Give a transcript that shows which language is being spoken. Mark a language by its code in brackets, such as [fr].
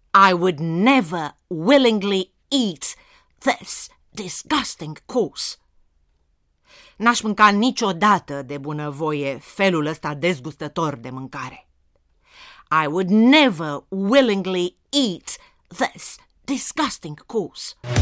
[en] I would never willingly eat this disgusting course. [ro] N-aș mânca niciodată de bunăvoie felul ăsta dezgustător de mâncare. [en] I would never willingly eat this disgusting course.